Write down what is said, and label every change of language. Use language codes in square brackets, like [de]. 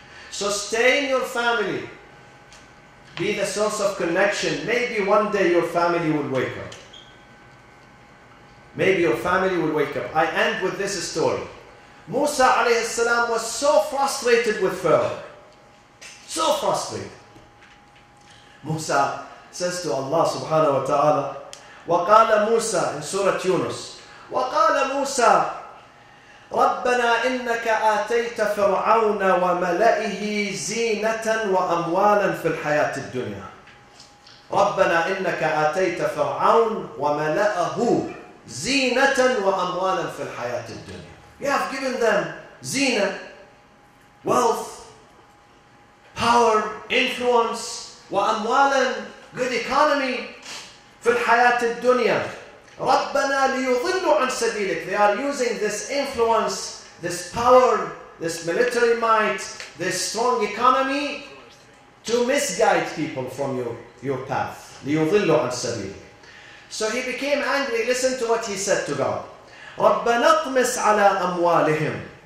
[en] Sustain your family. Be the source of connection. Maybe one day your family will wake up. Maybe your family will wake up. I end with this story. Musa alayhi salam was so frustrated with Pharaoh. So frustrated. Musa says to Allah subhanahu wa ta'ala, [ar] وقال موسى [en] in Surah Yunus, [ar] وقال موسى ربنا إنك آتيت فرعون وملئه زينة وأموالا في الحياة الدنيا. ربنا إنك آتيت فرعون وملئه زينة وأموالا في الحياة الدنيا. [en] You have given them [ar] زينة, [en] wealth, power, influence, [ar] وأموالا, [en] good economy. [ar] في الحياة الدنيا ربنا ليضلوا عن سبيلك. [en] They are using this influence, this power, this military might, this strong economy to misguide people from your path. [ar] ليضلوا عن سبيلك. [en] So he became angry. Listen to what he said to God. [ar] ربنا اطمس على أموالهم.